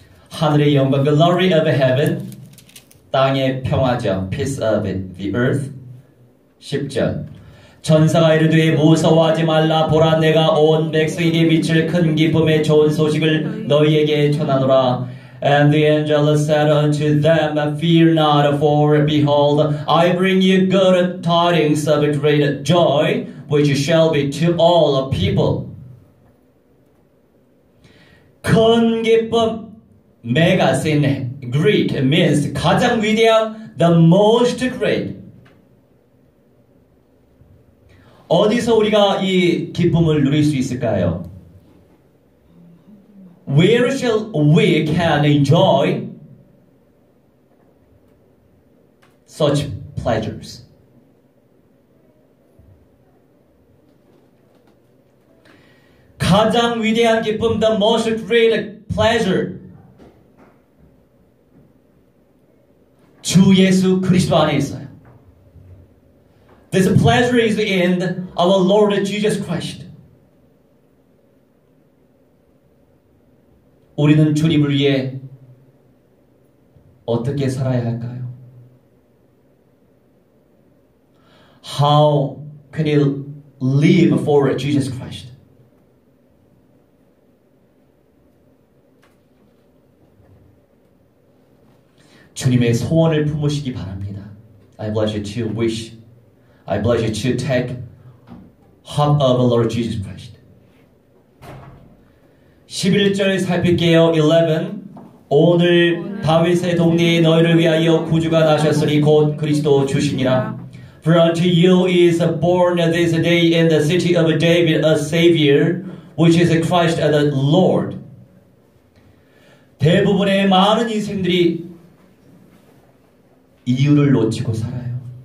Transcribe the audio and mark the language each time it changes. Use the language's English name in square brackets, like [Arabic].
[Korean] 하늘의 영광, [English] glory of heaven. [Korean] 땅의 평화죠. [English] Peace of it, the earth. 10절. [Korean] 천사가 이르되 무서워하지 말라 보라 내가 온 백성에게 미칠 큰 기쁨의 좋은 소식을 너희에게 전하노라. [English] And the angel said unto them, Fear not, for behold, I bring you good tidings of great joy, which shall be to all people. [Korean] 큰 기쁨, [English] megas in Greek means [Korean] 가장 위대한, [English] the most great. [Korean] 어디서 우리가 이 기쁨을 누릴 수 있을까요? [English] Where shall we can enjoy such pleasures? [Korean] 가장 위대한 기쁨, [English] the most great pleasure. [Korean] 주 예수 그리스도 안에 있어요. [English] This pleasure is in our Lord Jesus Christ. [Korean] 우리는 주님을 위해 어떻게 살아야 할까요? [English] How can you live for Jesus Christ? [Korean] 주님의 소원을 품으시기 바랍니다. [English] I bless you to wish. I bless you to take hope of the Lord Jesus Christ. [Korean] 11절 살필게요. 11. 오늘 다윗의 동네에 너희를 위하여 구주가 나셨으니 곧 그리스도 주시니라. [English] For unto you is born this day in the city of David a Savior, which is Christ the Lord. [Korean] 대부분의 많은 인생들이 이유를 놓치고 살아요.